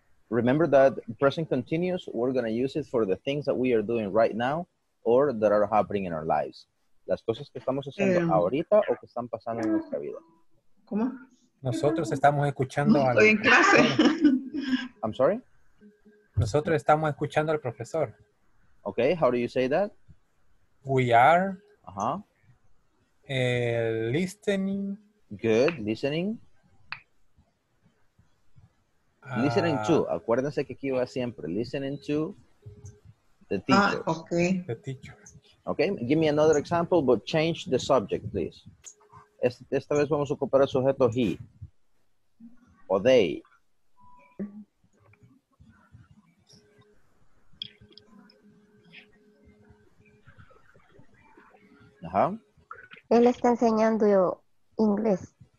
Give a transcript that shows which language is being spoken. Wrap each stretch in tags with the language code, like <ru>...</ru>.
<en>Remember that present continuous, we're going to use it for the things that we are doing right now or that are happening in our lives.</en> <es>Las cosas que estamos haciendo ahorita o que están pasando en nuestra vida. ¿Cómo? Nosotros estamos escuchando al... Estoy en clase.</es> <en>I'm sorry?</en> <es>Nosotros estamos escuchando al profesor.</es> <en>Okay, how do you say that? We are. Uh-huh. Listening. Good, listening. Listening to.</en> <es>Acuérdense que aquí va siempre.</es> <en>Listening to the teacher. Ah, okay. The teacher. Okay, give me another example, but change the subject, please.</en> <es>Esta vez vamos a ocupar el sujeto he. O they. Uh-huh. Él está enseñando inglés.</es>